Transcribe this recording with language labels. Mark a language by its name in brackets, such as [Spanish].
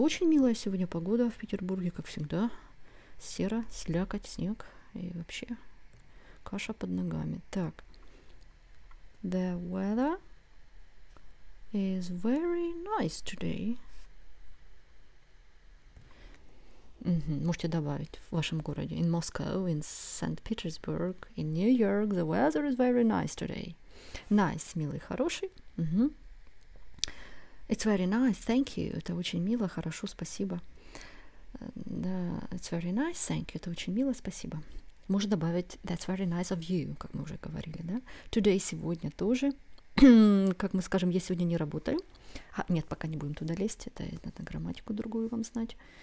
[Russian] Очень милая сегодня погода в Петербурге, как всегда. Серо, слякоть, снег и вообще каша под ногами. [English] Так, the weather is very nice today. [Russian] Угу. Можете добавить в вашем городе. [English] In Moscow, in St. Petersburg, in New York, the weather is very nice today. Nice, [Russian] милый, хороший. Угу. [English] It's very nice, thank you. [Russian] Это очень мило, хорошо, спасибо. Да, [English] it's very nice, thank you. [Russian] Это очень мило, спасибо. Можно добавить [English] that's very nice of you, [Russian] как мы уже говорили, да? Today, сегодня тоже. Как мы скажем, я сегодня не работаю. А, нет, пока не будем туда лезть, это надо грамматику другую вам знать.